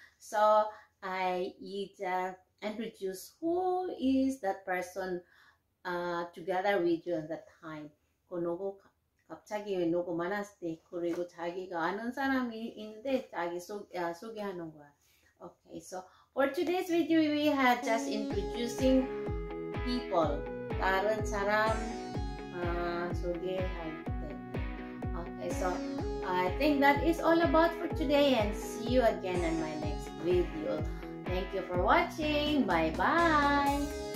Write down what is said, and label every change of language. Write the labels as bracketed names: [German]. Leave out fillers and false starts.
[English] So I introduce who is that person together with you at that time. [Korean] 그 누구 갑자기 누구 만났을 때 그리고 자기가 아는 사람이 있는데 자기 소개하는 거야. [English] Okay, so for today's video we have just introducing people. [Korean] 다른 사람 소개할 때. [English] Okay, so I think that is all about for today and see you again in my next video. Thank you for watching. Bye bye.